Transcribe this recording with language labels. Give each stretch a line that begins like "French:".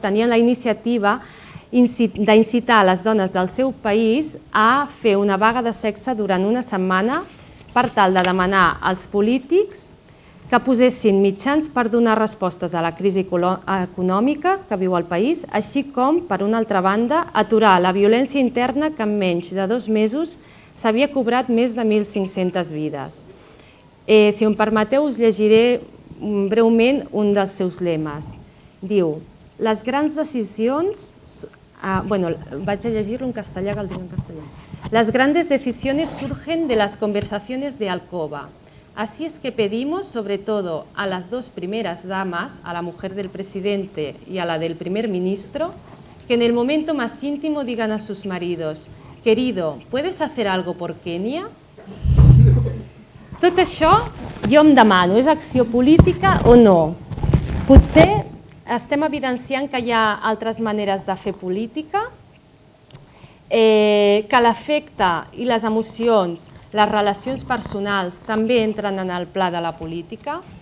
Catalan: Tenia la iniciativa d'incitar les dones del seu país a fer una vaga de sexe durant una setmana per tal de demanar als polítics que posessin mitjans per donar respostes a la crisi econòmica que viu el país, així com, per una altra banda, aturar la violència interna que en menys de 2 mesos s'havia cobrat més de 1.500 vides. Si em permeteu, us llegiré breument un dels seus lemes. Diu, les grans decisions... Bueno, vaig a llegir-lo en castellà, que el diu en castellà.
Spanish: Las grandes decisiones surgen de las conversaciones de alcoba. Así es que pedimos, sobre todo, a las dos primeras damas, a la mujer del presidente y a la del primer ministro, que en el momento más íntimo digan a sus maridos, querido, ¿puedes hacer algo por Kenia?
Catalan: Tot això, jo em demano, és acció política o no? Potser... Estem evidenciant que hi ha altres maneres de fer política, que l'afecte i les emocions, les relacions personals, també entren en el pla de la política.